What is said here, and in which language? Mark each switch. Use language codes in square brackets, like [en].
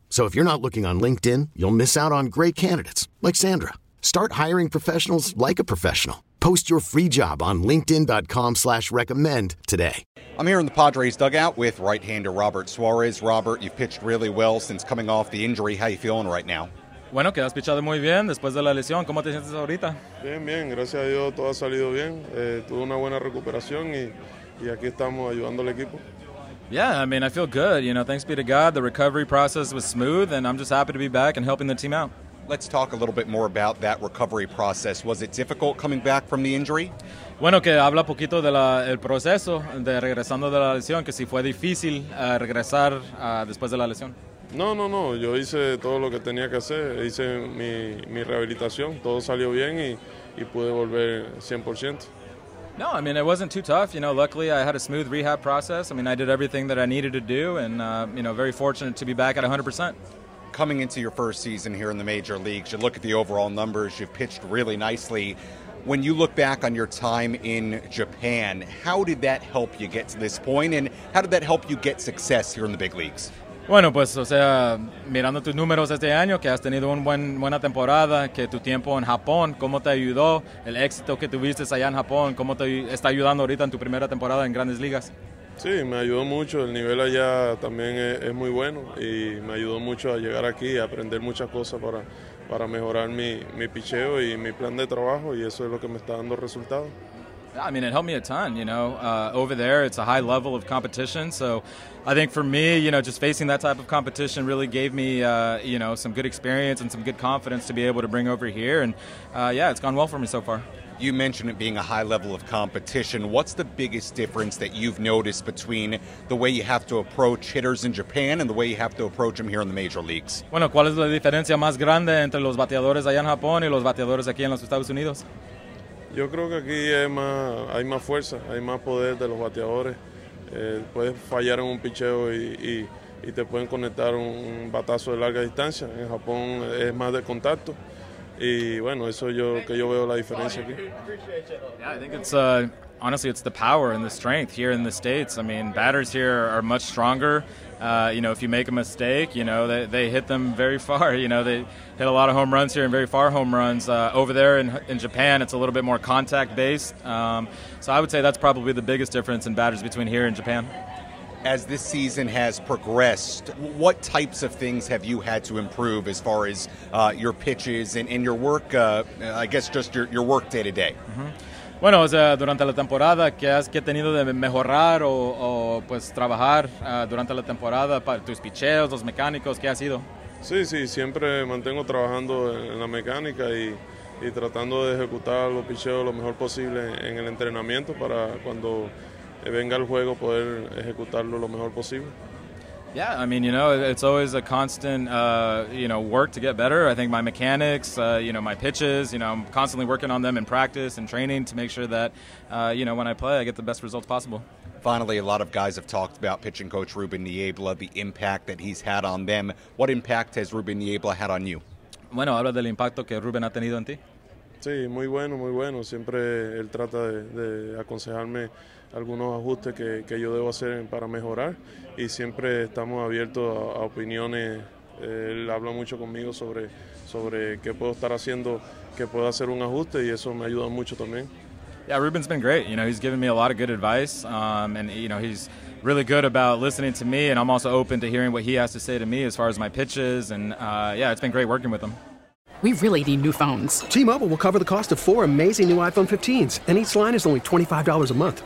[en] So if you're not looking on LinkedIn, you'll miss out on great candidates, like Sandra. Start hiring professionals like a professional. Post your free job on linkedin.com/recommend today. I'm here in the Padres dugout with right-hander Robert Suarez. Robert, you've pitched really well since coming off the injury. How are you feeling right now? [es] Bueno, que has pichado muy bien después de la lesión. ¿Cómo te sientes ahorita? Bien, bien. Gracias a Dios, todo ha salido bien. Tuve una buena recuperación y aquí estamos ayudando al equipo. [en] Yeah, I mean, I feel good. You know, thanks be to God, the recovery process was smooth, and I'm just happy to be back and helping the team out. Let's talk a little bit more about that recovery process. Was it difficult coming back from the injury? [es] Bueno, que habla poquito de el proceso de regresando de la lesión, que si fue difícil regresar después de la lesión. No. Yo hice todo lo que tenía que hacer. Hice mi rehabilitación. Todo salió bien y pude volver 100%. [en] No, I mean, it wasn't too tough. You know, luckily I had a smooth rehab process. I mean, I did everything that I needed to do and, you know, very fortunate to be back at 100%. Coming into your first season here in the major leagues, you look at the overall numbers, you've pitched really nicely. When you look back on your time in Japan, how did that help you get to this point, and how did that help you get success here in the big leagues? [es] Bueno, pues, o sea, mirando tus números este año, que has tenido una buena temporada, que tu tiempo en Japón, cómo te ayudó, el éxito que tuviste allá en Japón, cómo te está ayudando ahorita en tu primera temporada en Grandes Ligas. Sí, me ayudó mucho. El nivel allá también es muy bueno y me ayudó mucho a llegar aquí y aprender muchas cosas para mejorar mi picheo y mi plan de trabajo, y eso es lo que me está dando resultados. [en] I mean, it helped me a ton, you know. Over there, it's a high level of competition. So I think for me, you know, just facing that type of competition really gave me, you know, some good experience and some good confidence to be able to bring over here. And, yeah, it's gone well for me so far. You mentioned it being a high level of competition. What's the biggest difference that you've noticed between the way you have to approach hitters in Japan and the way you have to approach them here in the major leagues? [es] Bueno, ¿cuál es la diferencia más grande entre los bateadores allá en Japón y los bateadores aquí en los Estados Unidos? Yo creo que aquí hay más fuerza, hay más poder de los bateadores. Puedes fallar en un picheo y te pueden conectar un batazo de larga distancia. En Japón es más de contacto. Y bueno, eso yo veo la diferencia aquí. [en] Yeah, I think it's honestly it's the power and the strength here in the States. I mean, batters here are much stronger. You know, if you make a mistake, you know, they hit them very far. You know, they hit a lot of home runs here and very far home runs. Over there in Japan, it's a little bit more contact-based. So I would say that's probably the biggest difference in batters between here and Japan. As this season has progressed, what types of things have you had to improve as far as your pitches and your work, I guess just your work day-to-day? Mm-hmm. [es] Bueno, o sea, durante la temporada, ¿qué has tenido de mejorar o pues trabajar durante la temporada para tus picheos, los mecánicos, qué ha sido? Sí, siempre mantengo trabajando en la mecánica y tratando de ejecutar los picheos lo mejor posible en el entrenamiento para cuando venga el juego poder ejecutarlo lo mejor posible. [en] Yeah, I mean, you know, it's always a constant, you know, work to get better. I think my mechanics, you know, my pitches, you know, I'm constantly working on them in practice and training to make sure that, you know, when I play, I get the best results possible. Finally, a lot of guys have talked about pitching coach Ruben Niebla, the impact that he's had on them. What impact has Ruben Niebla had on you? [es] Bueno, habla del impacto que Ruben ha tenido en ti. Sí, muy bueno, muy bueno. Siempre él trata de aconsejarme algunos ajustes que yo debo hacer para mejorar. Y siempre estamos abiertos a opiniones. Él habla mucho conmigo sobre qué puedo estar haciendo, qué puedo hacer un ajuste, y eso me ayuda mucho también. [en] Yeah, Ruben's been great. You know, he's given me a lot of good advice. And, you know, he's really good about listening to me. And I'm also open to hearing what he has to say to me as far as my pitches. And, yeah, it's been great working with him. We really need new phones. T-Mobile will cover the cost of four amazing new iPhone 15s, and each line is only $25 a month.